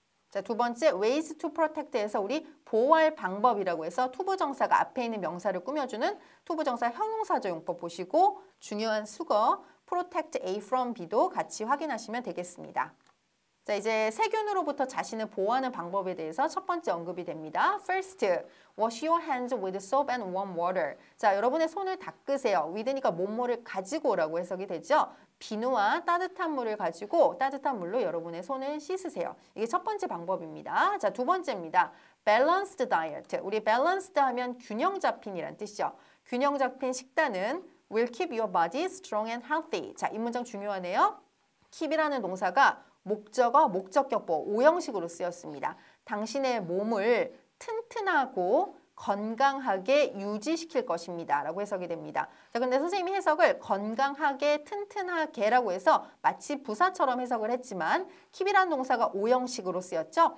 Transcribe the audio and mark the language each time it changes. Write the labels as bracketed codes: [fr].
[ko] 자, 두 번째 ways to protect에서 우리 보호할 방법이라고 해서 to 부정사가 앞에 있는 명사를 꾸며주는 to 부정사 형용사적 용법 보시고 중요한 수거 protect A from B도 같이 확인하시면 되겠습니다. 자, 이제 세균으로부터 자신을 보호하는 방법에 대해서 첫 번째 언급이 됩니다. [en] First, wash your hands with soap and warm water. [ko] 자, 여러분의 손을 닦으세요. with니까 뭐뭐를 가지고 라고 해석이 되죠. 비누와 따뜻한 물을 가지고 따뜻한 물로 여러분의 손을 씻으세요. 이게 첫 번째 방법입니다. 자, 두 번째입니다. balanced diet. 우리 balanced 하면 균형 잡힌이란 뜻이죠. 균형 잡힌 식단은 [en] will keep your body strong and healthy. [ko] 자, 이 문장 중요하네요. keep이라는 동사가 목적어, 목적격보, 오형식으로 쓰였습니다. 당신의 몸을 튼튼하고 건강하게 유지시킬 것입니다. 라고 해석이 됩니다. 자, 근데 선생님이 해석을 건강하게, 튼튼하게 라고 해서 마치 부사처럼 해석을 했지만 keep이라는 동사가 오형식으로 쓰였죠.